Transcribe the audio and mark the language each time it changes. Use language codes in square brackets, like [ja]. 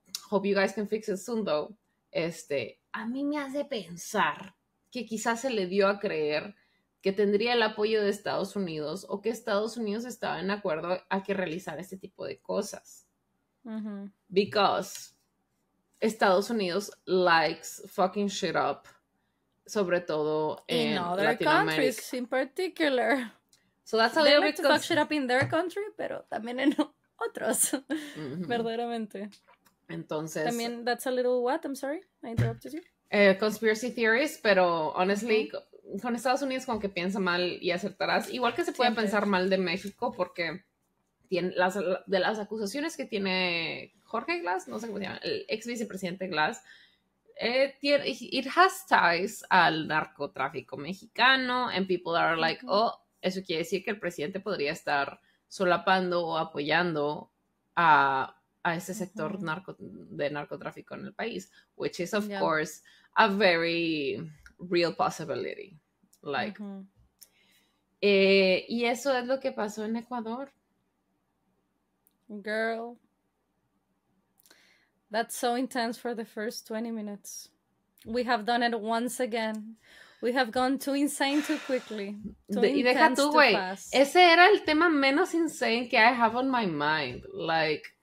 [en] Hope you guys can fix it soon, though. [es] A mí me hace pensar que quizás se le dio a creer que tendría el apoyo de Estados Unidos o que Estados Unidos estaba en acuerdo a que realizara este tipo de cosas. [en] Uh-huh. Because Estados Unidos likes fucking shit up, [es] sobre todo en Latinoamérica. [en] In other countries in particular. So that's a little bit to fuck shit up in their country, [es] pero también en otros, verdaderamente. Entonces. También, [en] that's a little what, I'm sorry, I interrupted you. Conspiracy theories, [es] pero [en] honestly, [es] con Estados Unidos como que piensa mal y acertarás. Igual que se puede pensar mal de México porque tiene las, de las acusaciones que tiene Jorge Glass, no sé cómo se llama, el ex vicepresidente Glass, tiene, [en] it has ties [es] al narcotráfico mexicano, [en] and people are like, oh, [es] eso quiere decir que el presidente podría estar solapando o apoyando a ese sector de narcotráfico en el país, [en] which is of course a very real possibility. Like, [es] y eso es lo que pasó en Ecuador. [en] Girl, that's so intense for the first 20 minutes. We have done it once again. We have gone too insane too quickly. [es] Y deja tú, güey. Ese era el tema menos insane que [en] I have on my mind. Like,